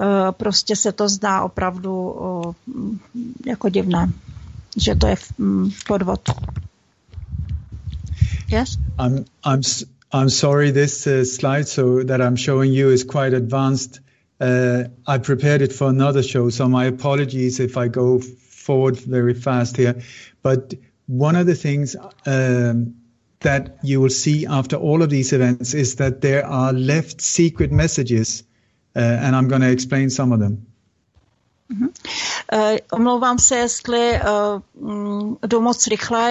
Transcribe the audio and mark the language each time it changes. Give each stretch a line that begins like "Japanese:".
Czech: Prostě se to zdá opravdu jako divné, že to je podvod.
English: Yes? I'm sorry, this slide so that I'm showing you is quite advanced. I prepared it for another show, so my apologies if I go forward very fast here. But one of the things that you will see after all of these events is that there are left secret messages, and I'm going to explain some of them.
Czech: Omlouvám se, jestli jdu moc rychle.